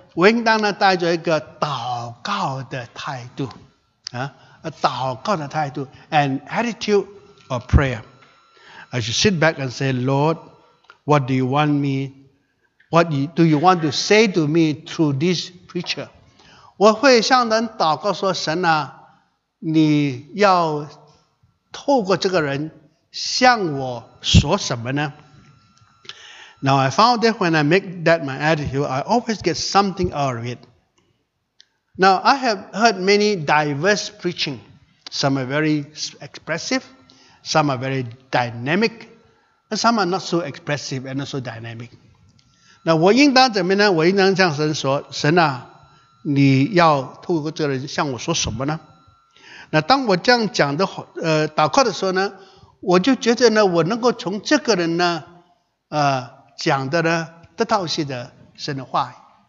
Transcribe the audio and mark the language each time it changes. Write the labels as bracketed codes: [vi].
[zh] 我应当呢带着一个祷告的态度。祷告的态度。 [en] An attitude of prayer. I should sit back and say, Lord, what do you want me? What do you want to say to me through this preacher? [zh] 我会向人祷告说，神啊，你要透过这个人向我说什么呢？ [en] Now I found that when I make that my attitude, I always get something out of it. Now I have heard many diverse preaching. Some are very expressive, some are very dynamic, and some are not so expressive and not so dynamic. [zh] 那我应当怎么呢？我应当向神说，神啊，你要透过这个人向我说什么呢？那当我这样讲的祷告的时候呢，我就觉得呢，我能够从这个人呢，讲的呢，得到一些的神的话。